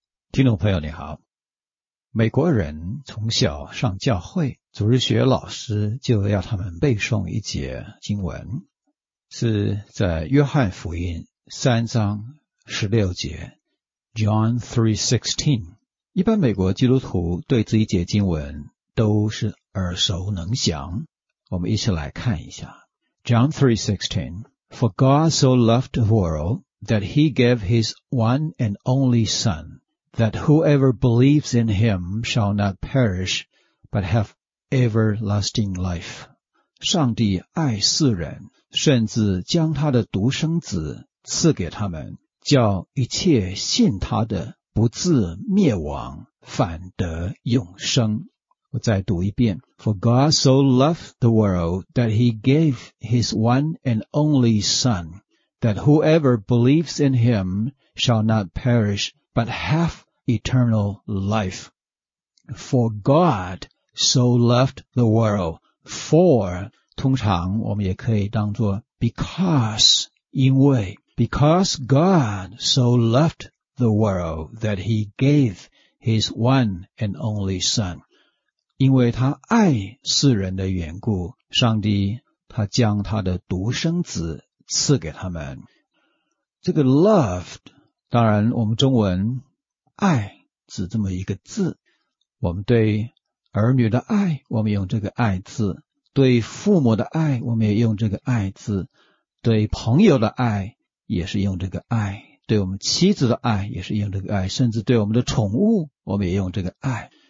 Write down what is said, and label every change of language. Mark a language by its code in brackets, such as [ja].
[zh] 听众朋友你好，美国人从小上教会，主日学老师就要他们背诵一节经文，是在约翰福音三章十六节 John 3:16。一般美国基督徒对这一节经文都是耳熟能详，我们一起来看一下 John 3:16。 [en] For God so loved the world that he gave his one and only son, that whoever believes in him shall not perish, but have everlasting life. [zh] 上帝爱世人，甚至将他的独生子赐给他们，叫一切信他的不至灭亡，反得永生。我再读一遍。 [en] For God so loved the world that he gave his one and only son, that whoever believes in him shall not perish, but have eternal life. For God so loved the world. For, [zh] 通常我们也可以当作 [en] because, [zh] 因为 [en] because God so loved the world that he gave his one and only son. [zh] 因为他爱世人的缘故，上帝他将他的独生子赐给他们。这个 loved, 当然我们中文爱指这么一个字，我们对儿女的爱我们用这个爱字，对父母的爱我们也用这个爱字，对朋友的爱也是用这个爱，对我们妻子的爱也是用这个爱，甚至对我们的宠物我们也用这个爱。